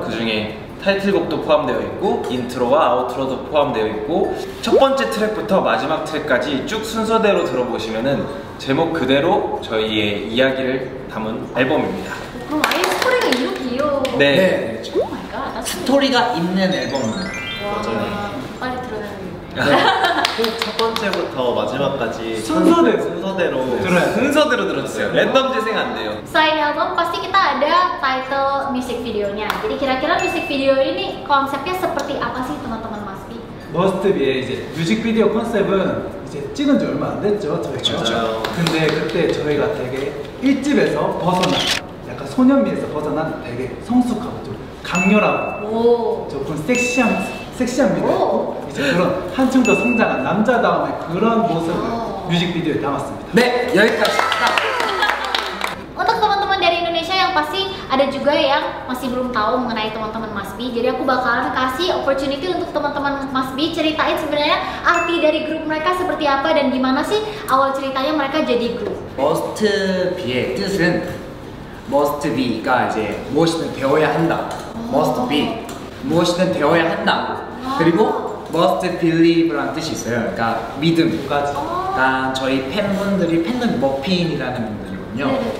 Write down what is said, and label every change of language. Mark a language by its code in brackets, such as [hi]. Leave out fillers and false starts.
[ko] 그 중에 타이틀곡도 포함되어 있고 인트로와 아우트로도 포함되어 있고 첫 번째 트랙부터 마지막 트랙까지 쭉 순서대로 들어보시면은 제목 그대로 저희의 이야기를 담은 앨범입니다. 그럼 아예 스토리가 이렇게 이어. 네. 네. 스토리가 있는 앨범입니다. 맞아요. 빨리 들어야겠네요. 첫 번째부터 마지막까지 순서대로 들어야 돼요. 순서대로 들어주세요. 랜덤 재생 안 돼요. 사인 앨범 [id] pasti kita ada title music video-nya. Jadi kira-kira music video ini konsepnya seperti apa sih teman-teman Mas B? [ko] Most B 이제 뮤직비디오 컨셉은 이제 찍은 지 얼마 안 됐죠, 저희가. 맞아요. 근데 그때 저희가 되게 1집에서 벗어난 약간 소년미에서 벗어난 되게 성숙하고 좀 강렬하고 조금 섹시한 미드 있고 이제 그런 한층 더 성장한 남자다움의 그런 모습을 뮤직비디오에 담았습니다. 네, 여기까지. [id] Untuk teman-teman dari Indonesia yang pasti ada juga yang masih belum tahu mengenai teman-teman Mas B, jadi aku bakalan kasih opportunity untuk teman-teman Mas B ceritain sebenarnya arti dari grup mereka seperti apa dan gimana sih awal ceritanya mereka jadi grup. [ko] Most B의 뜻은 Must be가 이제 무엇이든 되어야 한다. Must be 무엇이든 되어야 한다. 그리고 must believe란 뜻이 있어요. 그러니까 믿음. 그러니까 저희 팬분들이 팬분 머핀이라는 분들이거든요.